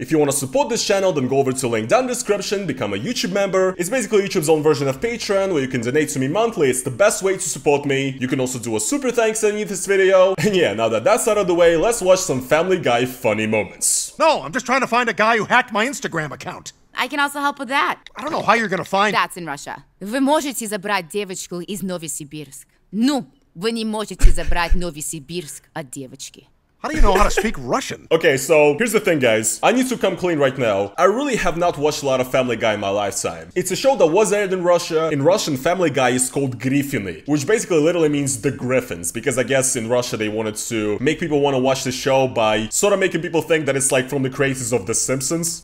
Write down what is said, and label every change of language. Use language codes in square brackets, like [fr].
[en] If you wanna support this channel, then go over to the link down in the description, become a YouTube member. It's basically YouTube's own version of Patreon, where you can donate to me monthly. It's the best way to support me. You can also do a super thanks underneath this video. And yeah, now that that's out of the way, let's watch some Family Guy funny moments. No, I'm just trying to find a guy who hacked my Instagram account. I can also help with that. I don't know how you're gonna find- That's in Russia. [ru] Вы можете забрать девочку из Новосибирск. Ну. Вы не можете забрать Новосибирск от девочки. [en] How do you know how to speak Russian? Okay, so here's the thing, guys. I need to come clean right now. I really have not watched a lot of Family Guy in my lifetime. It's a show that was aired in Russia. In Russian, Family Guy is called Griffiny, which basically literally means the Griffins, because I guess in Russia they wanted to make people want to watch the show by sort of making people think that it's like from the creators of The Simpsons.